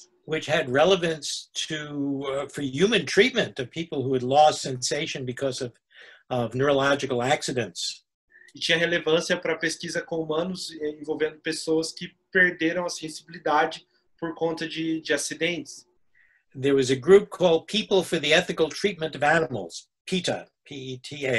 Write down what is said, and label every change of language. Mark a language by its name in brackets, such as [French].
[English] Yeah. Which had relevance to for human treatment of people who had lost sensation because of neurological accidents. [Portuguese] E tinha relevância para pesquisa com humanos envolvendo pessoas que perderam a sensibilidade por conta de acidentes. [English] There was a group called People for the Ethical Treatment of Animals, PETA, P-E-T-A.